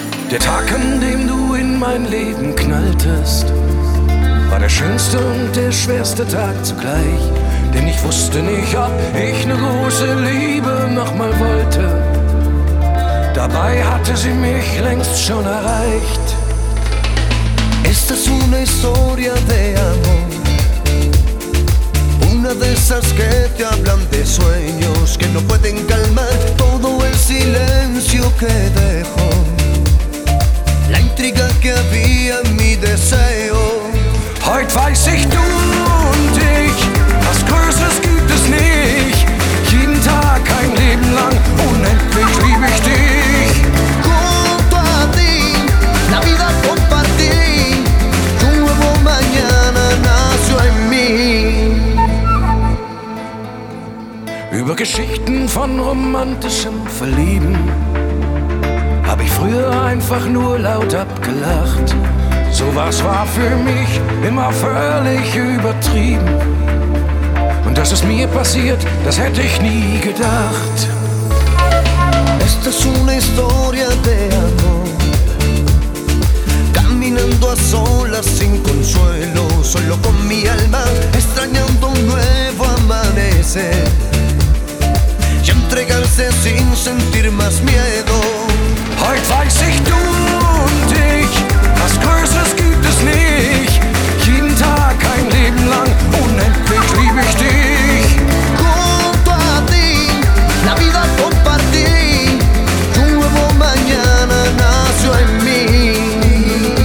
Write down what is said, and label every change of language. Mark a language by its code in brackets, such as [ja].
[de] Der Tag, an dem du in mein Leben knalltest, war der schönste und der schwerste Tag zugleich. Denn ich wusste nicht, ob ich eine große Liebe nochmal wollte. Dabei hatte sie mich längst schon erreicht. [es] Esta es una historia de amor. Una de esas que te hablan de sueños que no pueden calmar todo el silencio que dejó. La intriga que había en mi deseo. [de] Heut weiß ich, du und ich, was Größeres gibt es nicht. Jeden Tag, ein Leben lang, unendlich lieb ich dich. [es] Junto a ti, la vida compartí. Tu nuevo mañana nació en mí. [de] Über Geschichten von romantischem Verlieben hab ich früher einfach nur laut abgelacht. Sowas war für mich immer völlig übertrieben. Und dass es mir passiert, das hätte ich nie gedacht. [es] Esta es una historia de amor. Caminando a solas sin consuelo, solo con mi alma, extrañando un nuevo amanecer. Y entregarse sin sentir más miedo. [de] Heut weiß ich, du und ich, was Größeres gibt es nicht. Jeden Tag, ein Leben lang, unendlich lieb ich dich. [es] Junto a ti, la vida compartí. Tu nuevo mañana nació en mí.